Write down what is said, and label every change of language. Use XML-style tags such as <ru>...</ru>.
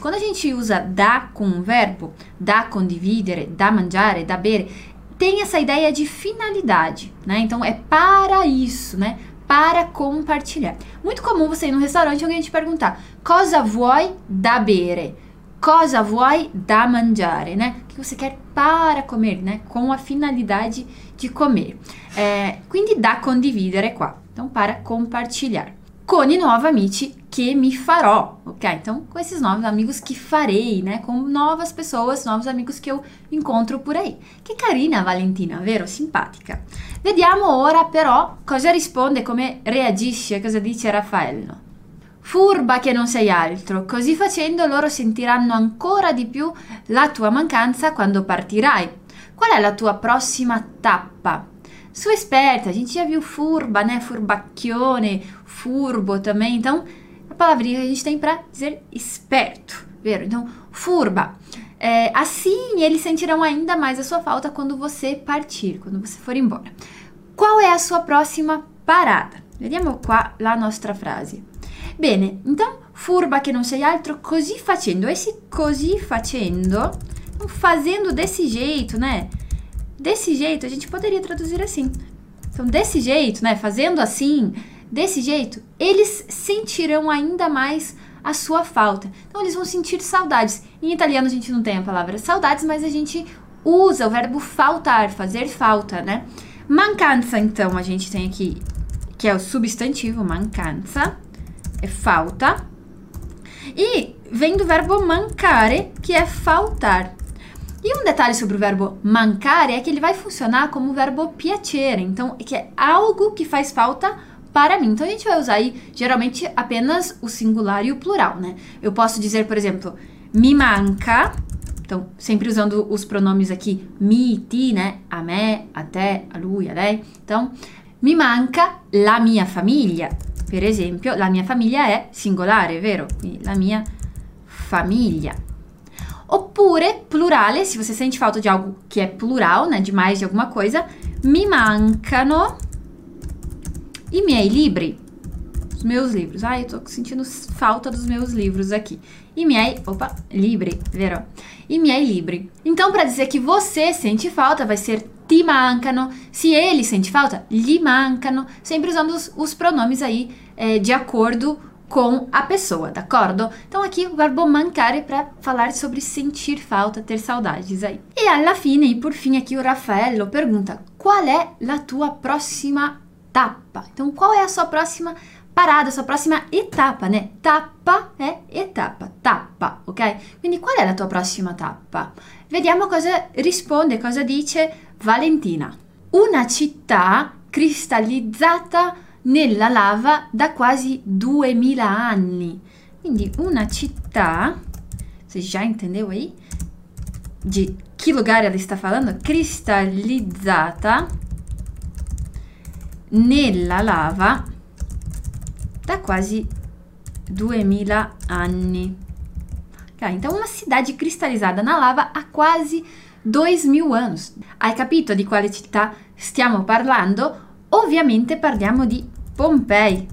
<pt>Quando a gente usa da com um verbo, da condividere, da mangiare, da bere, tem essa ideia de finalidade, né? Então, é para isso, né? Para compartilhar. Muito comum você ir num restaurante e alguém te perguntar</pt> <it>cosa vuoi da bere? Cosa vuoi da mangiare, né?</it> <pt>O que você quer para comer, né? Com a finalidade de comer.</pt> <it>Quindi, da condividere qua.</it> <pt>Então, para compartilhar.</pt> <it>Con i nuovi amici che mi farò, ok?</it> <pt>Então, com esses novos amigos que farei, né? Com novas pessoas, novos amigos que eu encontro por aí. Que carina, Valentina, vero? Simpática.</pt> <it>Vediamo ora, però, cosa risponde, come reagisce, cosa dice Raffaello. Furba che non sei altro, così facendo loro sentiranno ancora di più la tua mancanza quando partirai. Qual è la tua prossima tappa?</it> <pt>Su esperta, a gente já viu furba, né? Furbacchione, furbo também. Então, a palavrinha que a gente tem para dizer esperto, vero? Então, furba. Assim, eles sentirão ainda mais a sua falta quando você partir, quando você for embora. Qual é a sua próxima parada?</pt> <it>Vediamo qua la nostra frase. Bene, então, furba che non sei altro, così facendo.</it> <pt>Esse così facendo, fazendo desse jeito, né? Desse jeito, a gente poderia traduzir assim. Então, desse jeito, né? Fazendo assim, desse jeito, eles sentirão ainda mais a sua falta. Então, eles vão sentir saudades. Em italiano, a gente não tem a palavra saudades, mas a gente usa o verbo faltar, fazer falta, né? Mancanza, então, a gente tem aqui, que é o substantivo, mancanza, é falta. E vem do verbo mancare, que é faltar. E um detalhe sobre o verbo mancare é que ele vai funcionar como o verbo piacere, então, que é algo que faz falta para mim. Então, a gente vai usar aí, geralmente, apenas o singular e o plural, né? Eu posso dizer, por exemplo, mi manca, então, sempre usando os pronomes aqui, mi, ti, né?</pt> <it>A me, a te, a lui, a lei. Então, mi manca la mia famiglia. Per esempio, la mia famiglia è singolare, vero? Quindi, la mia famiglia. Oppure, plurale,</it> <pt>se você sente falta di algo che è plural, né?</pt> <it>Di mais di alguma cosa, mi mancano i miei libri.</it> <pt>Os meus livros. Ah, eu tô sentindo falta dos meus livros aqui. I miei, opa, libri, vero?</pt> <it>I miei libri.</it> <pt>Então, pra dizer que você sente falta, vai ser ti mancano. Se ele sente falta, gli mancano. Sempre usando os pronomes aí de acordo com a pessoa, d'accordo? Então, aqui o verbo mancare pra falar sobre sentir falta, ter saudades aí. E alla fine, e por fim aqui, o Raffaello pergunta,</pt> <it>qual è la tua prossima tappa?</it> <pt>Então, qual é a sua próxima parada, sua próxima etapa, né? Tappa é etapa, tappa, ok?</pt> <it>Quindi qual è la tua prossima tappa? Vediamo cosa risponde, cosa dice Valentina. Una città cristallizzata nella lava da quasi 2000 anni. Quindi una città,</it> <pt>você já entendeu aí? Di che lugar ela sta falando?</pt> <it>Cristallizzata nella lava da quasi 2000 anni.</it> <pt>Okay, então, uma cidade cristalizada na lava há quase 2000 anos.</pt> <it>Hai capito di quale città stiamo parlando? Ovviamente parliamo di Pompei.</it>